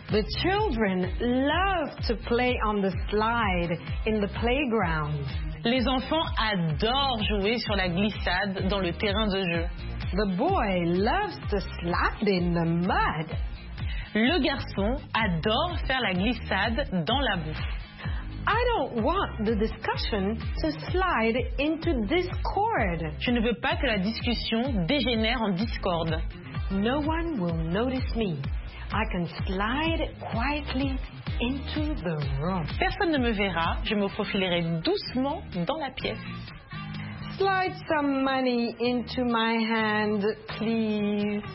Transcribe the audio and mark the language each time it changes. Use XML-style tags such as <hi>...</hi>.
<en>The children love to play on the slide in the playground.</en> <fr>Les enfants adorent jouer sur la glissade dans le terrain de jeu.</fr> <en>The boy loves to slide in the mud.</en> <fr>Le garçon adore faire la glissade dans la boue.</fr> <en>I don't want the discussion to slide into discord.</en> <fr>Je ne veux pas que la discussion dégénère en discorde.</fr> <en>No one will notice me. I can slide quietly into the room.</en> <fr>Personne ne me verra. Je me profilerai doucement dans la pièce.</fr> <en>Slide some money into my hand, please.</en>